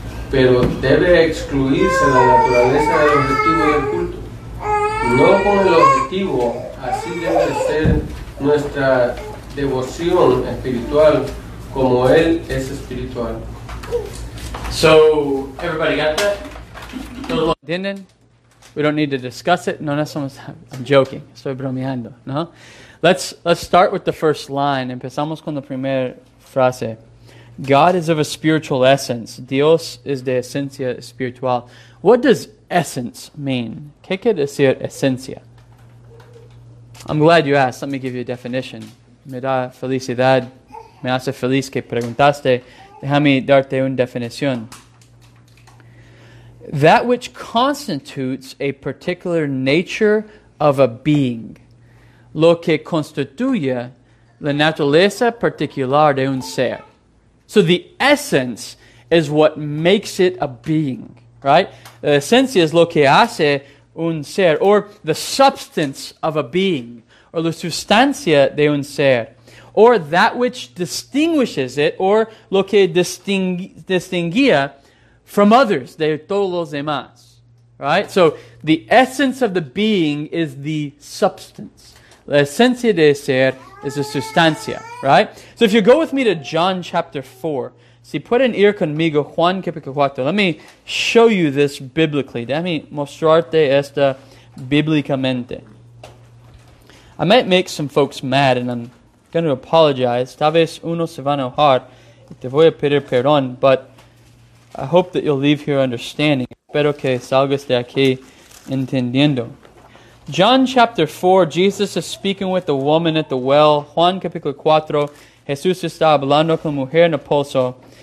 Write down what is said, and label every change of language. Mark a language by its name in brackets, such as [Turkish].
[Spanish] Pero debe excluirse la naturaleza del objetivo del culto. No con el objetivo, así debe ser nuestra devoción espiritual como Él es espiritual. [English] So, everybody got that? [Spanish] ¿Entienden? [English] We don't need to discuss it. No, that's almost, I'm joking. [Spanish] Estoy bromeando, ¿no? [English] Let's start with the first line. [Spanish] Empezamos con la primera frase. [English] God is of a spiritual essence. [Spanish] Dios es de esencia espiritual. [English] What does essence mean? [Spanish] ¿Qué quiere decir esencia? [English] I'm glad you asked. Let me give you a definition. [Spanish] Me da felicidad. Me hace feliz que preguntaste. Déjame darte una definición. [English] That which constitutes a particular nature of a being. [Spanish] Lo que constituye la naturaleza particular de un ser. [English] So the essence is what makes it a being, right? [Spanish] La esencia es lo que hace un ser, [English] or the substance of a being, [Spanish] or la sustancia de un ser, [English] or that which distinguishes it, or [Spanish] lo que distinguía [English] from others, [Spanish] de todos los demás. [English] Right? So the essence of the being is the substance. [Spanish] La esencia de ser es la sustancia. [English] Right? So if you go with me to John chapter 4, [Spanish] si pueden ir conmigo, Juan capítulo 4, [English] let me show you this biblically. [Spanish] Déjame mostrarte esta bíblicamente. [English] I might make some folks mad and I'm going to apologize. [Spanish] Tal vez uno se va a enojar y te voy a pedir perdón, [English] but I hope that you'll leave here understanding. [Spanish] Espero que salgas de aquí entendiendo. [English] John chapter 4, Jesus is speaking with the woman at the well. [Spanish] Juan capítulo 4, Jesús está hablando con la mujer en el pozo.